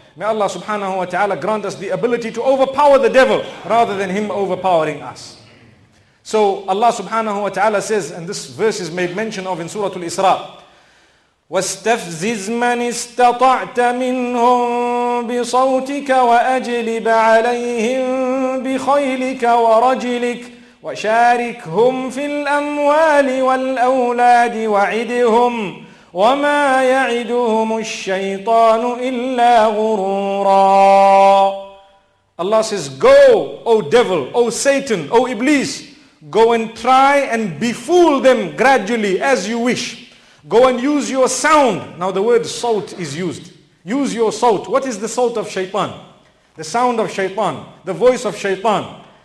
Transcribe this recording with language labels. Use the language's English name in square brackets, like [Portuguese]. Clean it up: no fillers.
[English] May Allah subhanahu wa ta'ala grant us the ability to overpower the devil rather than him overpowering us. So Allah subhanahu wa ta'ala says, and this verse is made mention of in Surah Al-Isra, [Arabic] وَاسْتَفْزِزْ مَنِ اسْتَطَعْتَ مِنْهُمْ بِصَوْتِكَ وَأَجْلِبَ عَلَيْهِمْ خيلك ورجلك وشاركهم في الأموال والأولاد وعدهم وما يعدهم الشيطان إلا غرورا. [English] Allah says, go, O devil, O Satan, O Iblis, go and try and befool them gradually as you wish. Go and use your sound. Now the word salt is used. Use your salt. What is the salt of shaitan? The sound of shaitan, the voice of shaitan.